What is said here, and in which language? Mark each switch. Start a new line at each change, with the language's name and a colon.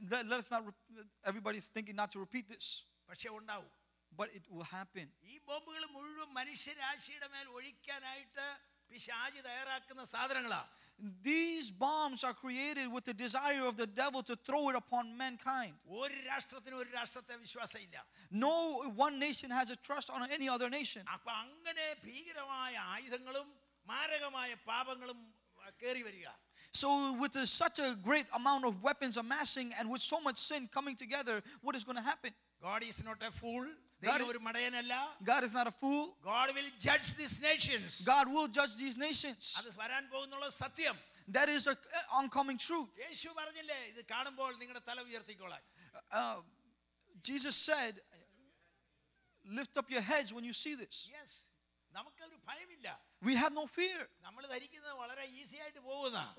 English: Let's not everybody's thinking not to repeat this.
Malayalam: പക്ഷേ ഉണ്ടാവും.
English: But it will happen.
Malayalam: ഈ ബോംബുകൾ മുഴുവൻ മനുഷ്യരാശിയുടെ മേൽ ഒഴിക്കാനായിട്ട് പിശാചി തയ്യാറാക്കുന്ന സാധനങ്ങളാ.
English: These bombs are created with the desire of the devil to throw it upon mankind.
Malayalam: ഒരു രാഷ്ട്രത്തിന് ഒരു രാഷ്ട്രത്തെ വിശ്വാസം ഇല്ല.
English: No one nation has a trust on any other nation.
Malayalam: അപ്പ അങ്ങനെ ഭീകരമായ ആയുധങ്ങളും മാരകമായ പാപങ്ങളും കേറി വരിക.
English: So with such a great amount of weapons amassing and with so much sin coming together, what is going to happen? God is not a fool.
Malayalam: ദൈവം ഒരു മടയനല്ല.
English: God is not a fool. God will judge these nations. God will judge these nations.
Malayalam: അത് വരാൻ പോകുന്നുള്ള സത്യം.
English: That is a oncoming truth.
Malayalam: യേശു പറഞ്ഞില്ലേ, ഇത് കാണുമ്പോൾ നിങ്ങളുടെ തല ഉയർത്തിക്കോളാൻ.
English: Jesus said, lift up your heads when you see this.
Malayalam: Yes. നമുക്കൊരു ഭയമില്ല.
English: We have no fear.
Malayalam: നമ്മൾ ധരിക്കുന്നത് വളരെ ഈസി ആയിട്ട് പോകുന്നാ.